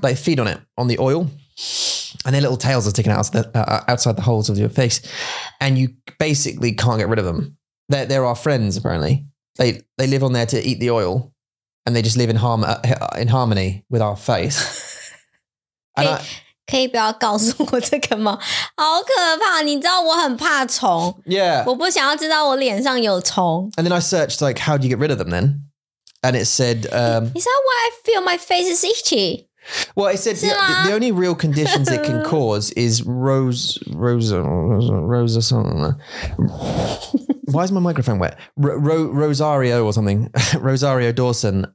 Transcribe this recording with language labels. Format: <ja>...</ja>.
<en>they feed on it, on the oil, and their little tails are sticking out outside the holes of your face, and you basically can't get rid of them. They're our friends, apparently. They live on there to eat the oil, and they just live in harmony with our face. And hey.</en> <zh>可以不要告诉我这个吗？好可怕！你知道我很怕虫。</zh> <en>Yeah.</en> <zh>我不想要知道我脸上有虫。</zh> <en>And then I searched like, how do you get rid of them then? And it said, Is that why I feel my face is itchy? Well, it said the only real conditions it can cause is why is my microphone wet? Rosario or something. Rosario Dawson.</en>